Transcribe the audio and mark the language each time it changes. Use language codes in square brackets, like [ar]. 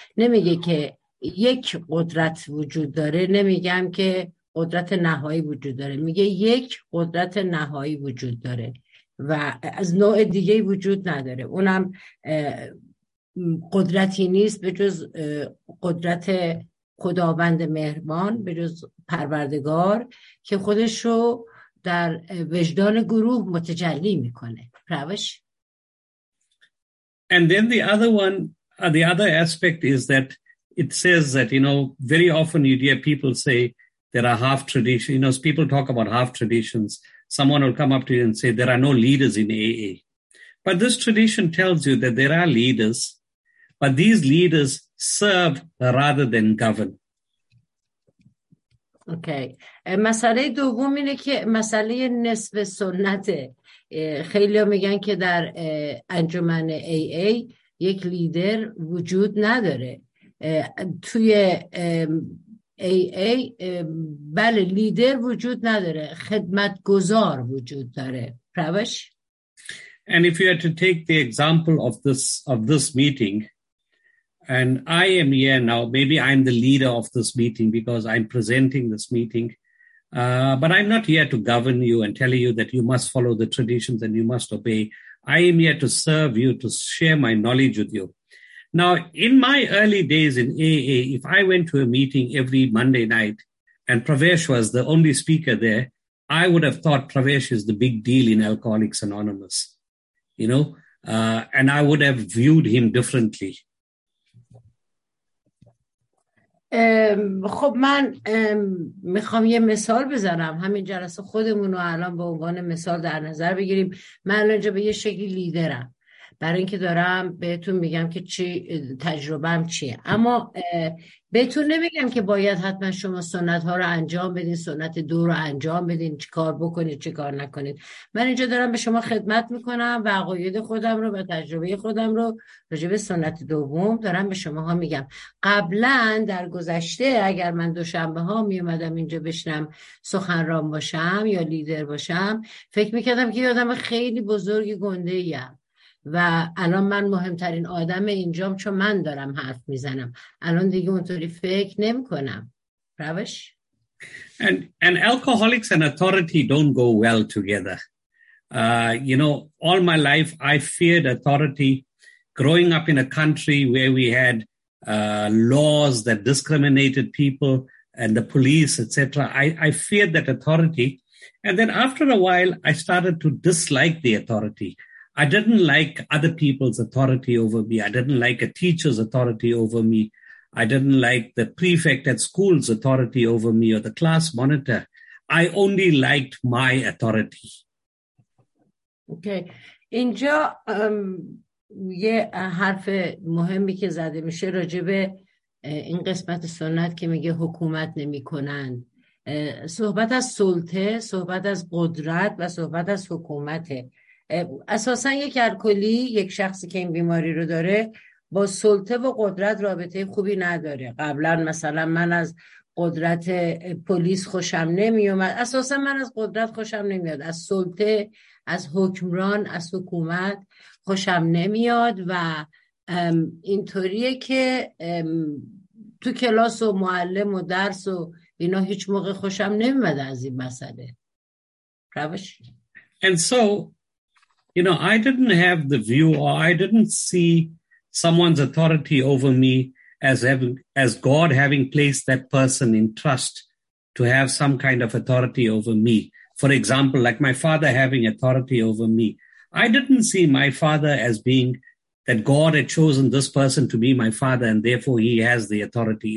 [fa] نمیگه که یک قدرت وجود داره، نمیگم که قدرت نهایی وجود داره، میگه یک قدرت نهایی وجود داره و از نوع دیگه وجود نداره، اونم قدرتی نیست به جز قدرت خداوند مهربان، به جز پروردگار که خودشو در وجدان گروه متجلی میکنه. پرواش. [en] And then the other aspect is that it says that, you know, very often you hear people say there are half traditions. You know, people talk about half traditions. Someone will come up to you and say there are no leaders in AA. But this tradition tells you that there are leaders, but these leaders serve rather than govern. Okay. [fa] مسئله دوم اینه که مسئله نصف سنته. خیلی ها میگن که در انجمن AA یک لیدر وجود نداره. توی AA بله لیدر وجود نداره، خدمتگزار وجود داره. پرواش. [en] And if you had to take the example of this meeting, and I am here now, maybe I'm the leader of this meeting because I'm presenting this meeting, but I'm not here to govern you and tell you that you must follow the traditions and you must obey. I am here to serve you, to share my knowledge with you. Now, in my early days in AA, if I went to a meeting every Monday night and Pravesh was the only speaker there, I would have thought Pravesh is the big deal in Alcoholics Anonymous, you know, and I would have viewed him differently. [fa] خب من میخوام یه مثال بزنم، همین جلسه خودمون رو الان به عنوان مثال در نظر بگیریم. من اونجا به یه شکلی لیدرم، برای اینکه دارم بهتون میگم که چی تجربه‌ام چیه، اما بهتون نمیگم که باید حتما شما سنت ها رو انجام بدین، سنت دو رو انجام بدین، چی کار بکنید چی کار نکنید. من اینجا دارم به شما خدمت میکنم و عقاید خودم رو و تجربه خودم رو راجع به سنت دوم دارم به شما ها میگم. قبلا در گذشته اگر من دوشنبه ها میومدم اینجا بشنم سخنران باشم یا لیدر باشم، فکر میکردم که آدم خیلی بزرگی گنده ایم و الان من مهمترین آدم اینجام چون من دارم حرف میزنم. الان دیگه اونطوری فکر نمی کنم. روش؟ [en] And alcoholics and authority don't go well together. You know, all my life I feared authority. Growing up in a country where we had laws that discriminated people and the police, etc. I feared that authority. And then after a while I started to dislike the authority. I didn't like other people's authority over me. I didn't like a teacher's authority over me. I didn't like the prefect at school's authority over me or the class monitor. I only liked my authority. Okay. [fa] اینجا یه حرف مهمی که زده میشه راجع به این قسمت سنت که میگه حکومت نمی‌کنن. صحبت از سلطه، صحبت از قدرت و صحبت از حکومته. اساسا یک الکلی، یک شخصی که این بیماری رو داره، با سلطه و قدرت رابطه خوبی نداره. قبلا مثلا من از قدرت پلیس خوشم نمیومد، اساسا من از قدرت خوشم نمیاد، از سلطه، از حکمران، از حکومت خوشم نمیاد. و اینطوریه که تو کلاس و معلم و درس و اینا هیچ موقع خوشم نمیاد از این مسئله. روش؟ [en] And so you know, I didn't have the view, or I didn't see someone's authority over me as having, as God having placed that person in trust to have some kind of authority over me. For example, like my father having authority over me. I didn't see my father as being that God had chosen this person to be my father and therefore he has the authority.